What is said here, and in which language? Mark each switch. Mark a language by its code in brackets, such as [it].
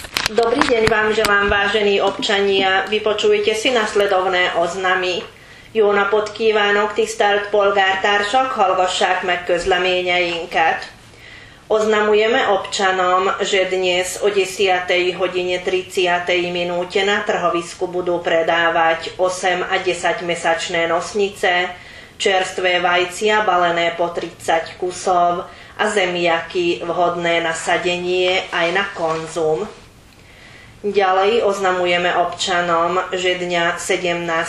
[sk] Dobrý deň vám želám, vážení občania. Vypočujte si nasledovné oznamy. [hu] Jó napot kívánok, tisztelt polgártársak, hallgassák meg közleményeinket. [sk] Oznamujeme občanom, že dnes o 10. hodine 30. minúte na trhovisku budú predávať 8 a 10 mesačné nosnice, čerstvé vajcia balené po 30 kusov a zemiaky vhodné na sadenie aj na konzum. Ďalej oznamujeme občanom, že dňa 17.